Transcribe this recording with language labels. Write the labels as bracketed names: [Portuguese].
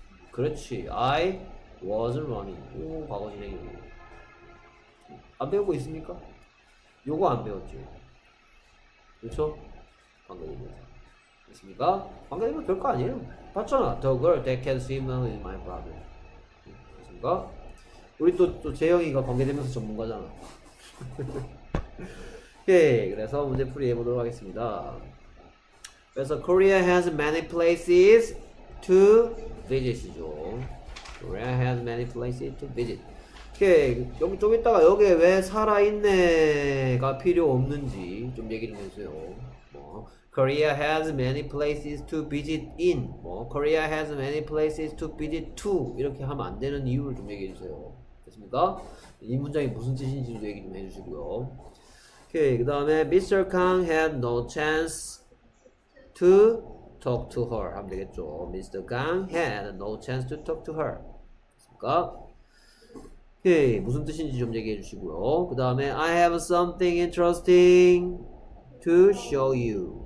[Korean] 그렇지. [English] I was running. [Korean] 오, 과거 진행이요. 안 배우고 있습니까? 요거 안 배웠죠. 그렇죠? 관계대명사. 됐습니까? 관계대명사 별거 아니에요. 봤잖아. [English] The girl that can swim is my brother. [Korean] 됐습니까? 우리 또 재영이가 관계대명사 전문가잖아. 오케이. 그래서 문제 풀이해보도록 하겠습니다. 그래서 [English] Korea has many places to visit죠. Korea has many places to visit. 오케이. [Korean] 여기 좀 이따가 여기에 왜 살아있네가 필요 없는지 좀 얘기 좀 해주세요. [English] 뭐, Korea has many places to visit in. 뭐, Korea has many places to visit to. [Korean] 이렇게 하면 안 되는 이유를 좀 얘기해 주세요. 됐습니까? 이 문장이 무슨 뜻인지도 얘기 좀 해주시고요. [English] 오케이. [Korean] 그 다음에 [English] Mr. Kang had no chance to talk to her. [Korean] 하면 되겠죠. [English] Mr. Kang had no chance to talk to her. [Korean] 됐습니까? 오케이, 무슨 뜻인지 좀 얘기해 주시고요. 그 다음에 [English] I have something interesting to show you.